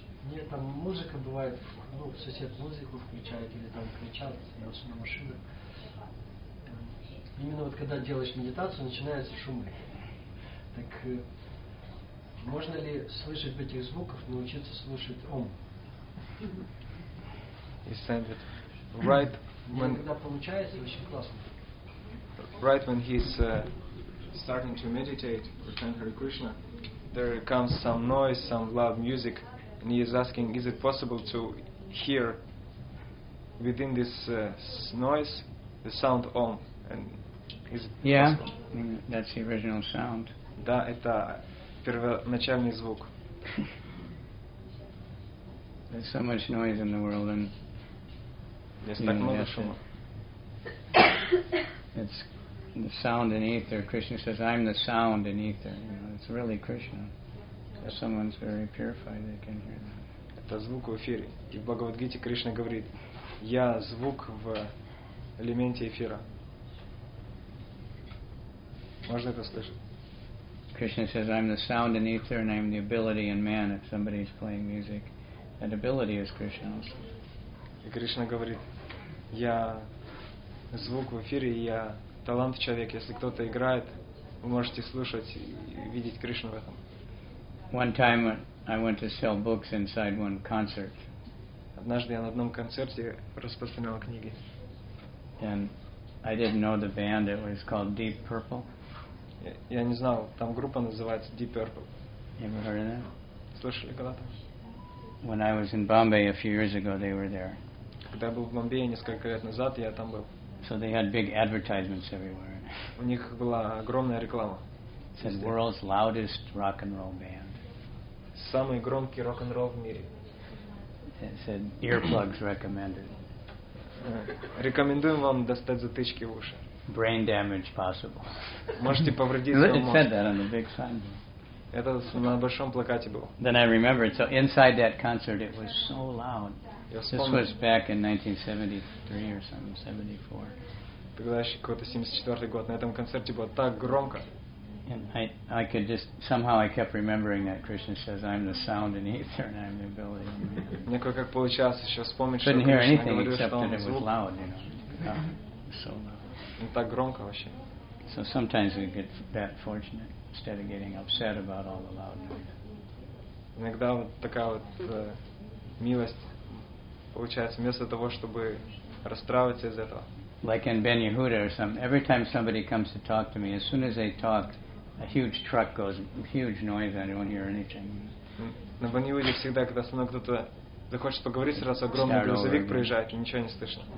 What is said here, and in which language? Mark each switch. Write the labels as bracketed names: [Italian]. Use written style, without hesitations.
[Russian] Нет, там музыка бывает, ну, сосед музыку включает или там кричат на машину. Именно вот когда делаешь медитацию, начинаются шумы. Так можно ли слышать этих звуков, научиться слушать ом? [English] He said that right when he's starting to meditate or chant Hare Krishna, there comes some noise, some loud music, and he is asking, is it possible to hear within this noise the sound Om? And is it yeah, possible? That's the original sound. [Russian] Да, это первоначальный звук. [English] There's so much noise in the world, and it's the sound in ether. Krishna says, "I'm the sound in ether." You know, it's really Krishna. If someone's very purified, they can hear that. [Russian] Это звук в эфире. И в Бхагавад-гите Кришна говорит: "Я звук в элементе эфира." Можно это слышать? [English] Krishna says, "I'm the sound in ether, and I'm the ability in man." If somebody's playing music, that ability is Krishna also. [Russian] И Кришна говорит: я звук в эфире, я талант в человеке. Если кто-то играет, вы можете слушать и видеть Кришну в этом. [English] One time I went to sell books inside one concert. [Russian] Однажды я на одном концерте распространял книги. [English] And I didn't know the band. It was called Deep Purple. [Russian] Я не знал, там группа называется Deep Purple. [English] You ever heard of that? [Russian] Слышали когда-то? [English] When I was in Bombay a few years ago, they were there. [Russian] Когда я был в Бомбее несколько лет назад, я там был. [English] So they had big advertisements everywhere. [Russian] У них была огромная реклама. [English] It said world's loudest rock and roll band. [Russian] Самый громкий рок-н-ролл в мире. [English] It said earplugs recommended. [Russian] Рекомендуем вам достать затычки в уши. [English] Brain damage possible. [Russian] Можете повредить свой мозг. [English] It said that on the big sign. [Russian] Это на большом плакате было. [English] Then I remembered. So inside that concert, it was so loud. This was back in 1973 or something, 74. And I could just, somehow I kept remembering that Krishna says, I'm the sound in ether and I'm the ability. [Russian] Мне как получалось еще вспомнить, [English] couldn't hear anything except that it was loud, you know. [Russian] Так громко вообще. [English] So sometimes we get that fortunate instead of getting upset about all the loud noise. [Russian] Иногда вот такая вот милость получается, вместо того, чтобы расстраиваться из этого. [English] Like in Ben Yehuda or something, every time somebody comes to talk to me, as soon as they talk, a huge truck goes, huge noise, and I don't hear anything. [Russian] На Бен Йехуде всегда, когда со мной кто-то захочет поговорить, сразу огромный грузовик проезжает, и ничего не слышно.